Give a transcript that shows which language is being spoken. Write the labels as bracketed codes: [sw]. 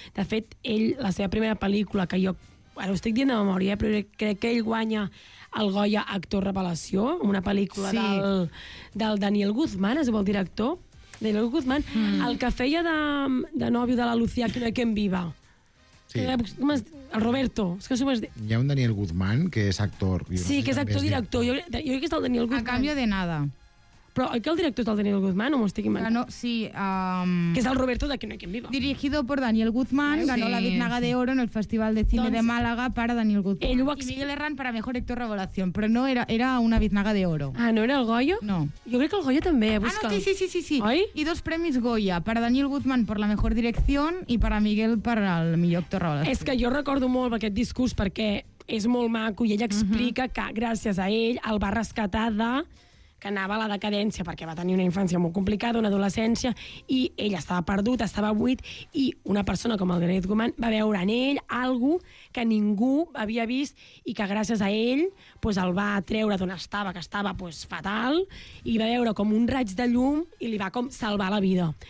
[ca] De fet, ell, la seva primera pel·lícula, que jo ara ho estic dient de memòria, però crec que ell guanya el Goya Actor Revelació, una pel·lícula del Daniel Guzmán, es vol dir actor, Daniel Guzmán, el que feia de nòvio de la Lucía Quien Viva. Sí. El Roberto. És que hi ha un Daniel Guzmán, que és actor. Sí, que és actor-director. Jo crec que és el Daniel Guzmán. A canvi de nada. Però oi que el director és el Daniel Guzmán, o m'ho estic imaginant? No, sí. Que és el Roberto de Que no hay quien viva. [es] Dirigido por Daniel Guzmán, sí, ganó la Biznaga de Oro en el Festival de Cine de Málaga para Daniel Guzmán. [ca] Ell ho explica. [es] Y Miguel Herrán para Mejor Actor Revelación, [ca] però no era, era una Biznaga de Oro. Ah, no era el Goya? No. Jo crec que el Goya també, busca. Ah, no, sí. Oi? I dos premis Goya, [es] para Daniel Guzmán por la Mejor Dirección y para Miguel [ca] per el Millor Actor Revelación. És que jo recordo molt aquest discurs perquè és molt maco i ell explica que gràcies a ell el va rescatar de... que anava a la decadència perquè va tenir una infància molt complicada, una adolescència, i ell estava perdut, estava buit, i una persona com el Daniel Guzmán va veure en ell algo que ningú havia vist i que gràcies a ell pues, el va treure d'on estava, que estava pues, fatal, i va veure com un raig de llum i li va com salvar la vida.